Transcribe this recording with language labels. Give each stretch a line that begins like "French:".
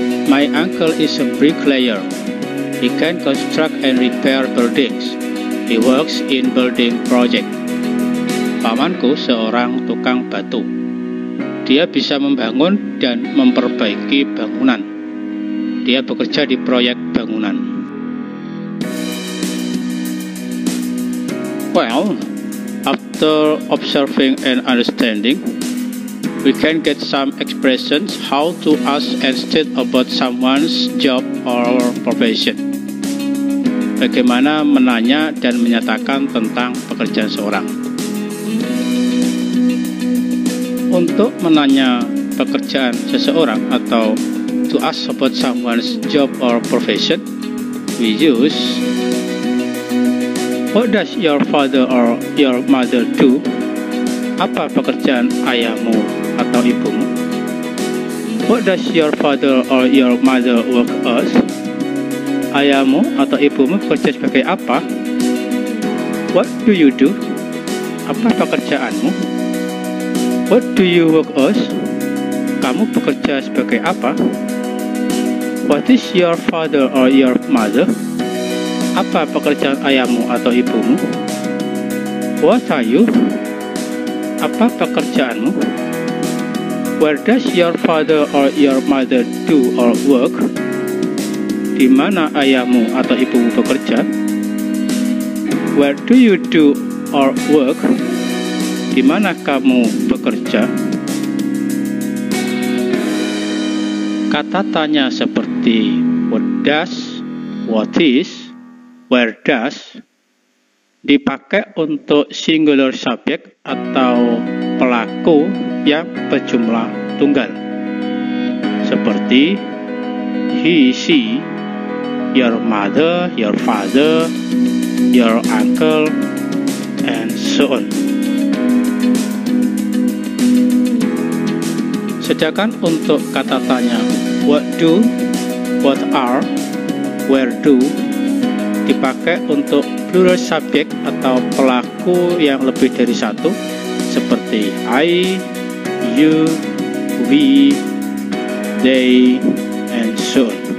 English: My uncle is a bricklayer. He can construct and repair buildings. He works in building project.
Indonesian: Pamanku seorang tukang batu. Dia bisa membangun dan memperbaiki bangunan. Dia bekerja di proyek bangunan.
English: Well, after observing and understanding, we can get some expressions how to ask and state about someone's job or profession.
Indonesian: Bagaimana menanya dan menyatakan tentang pekerjaan seorang. Untuk menanya pekerjaan seseorang atau
English: to ask about someone's job or profession, we use what does your father or your mother do?
Indonesian: Apa pekerjaan ayahmu atau ibumu?
English: What does your father or your mother work as?
Indonesian: Ayahmu atau ibumu bekerja sebagai apa?
English: What do you do?
Indonesian: Apa pekerjaanmu?
English: What do you work as?
Indonesian: Kamu bekerja sebagai apa?
English: What is your father or your mother?
Indonesian: Apa pekerjaan ayahmu atau ibumu?
English: What are you?
Indonesian: Apa pekerjaanmu?
English: Where does your father or your mother do or work?
Indonesian: Di mana ayahmu atau ibumu bekerja?
English: Where do you do or work?
Indonesian: Di mana kamu bekerja? Kata tanya seperti
English: what does, what is, where does
Indonesian: dipakai untuk singular subject atau pelaku yang berjumlah tunggal.
English: Seperti he, she, your mother, your father, your uncle, and so on.
Indonesian: Sedangkan untuk kata tanya
English: what do, what are, where do
Indonesian: dipakai untuk plural subject atau pelaku yang lebih dari satu seperti
English: I, you, we, they, and so on.